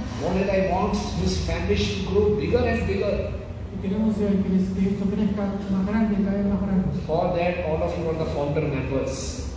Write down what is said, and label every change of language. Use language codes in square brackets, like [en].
[en] Godhead I want this family to grow bigger and bigger. [es] Queremos que esto crezca más grande, cada vez más grande. [en] For that, all of you are the founder members.